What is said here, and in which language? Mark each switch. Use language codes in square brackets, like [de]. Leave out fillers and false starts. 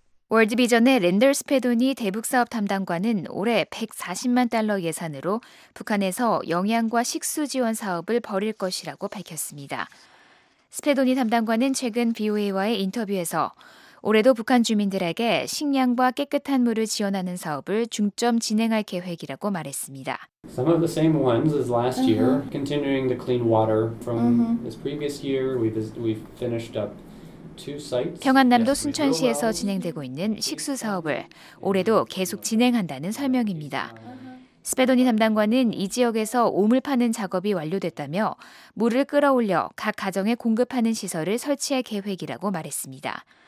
[ko] 월드비전의 랜덜 스페도니 대북사업 담당관은 올해 140만 달러 예산으로 북한에서 영양과 식수 지원 사업을 벌일 것이라고 밝혔습니다. 스페도니 담당관은 최근 VOA와의 인터뷰에서 올해도 북한 주민들에게 식량과 깨끗한 물을 지원하는 사업을 중점 진행할 계획이라고 말했습니다. [en] Some of the same ones as last year, continuing the clean water from this previous year. We've finished up two sites. [ko] 평안남도 순천시에서 진행되고 있는 식수 사업을 올해도 계속 진행한다는 설명입니다. 스페도니 담당관은 이 지역에서 오물 파는 작업이 완료됐다며 물을 끌어올려 각 가정에 공급하는 시설을 설치할 계획이라고 말했습니다.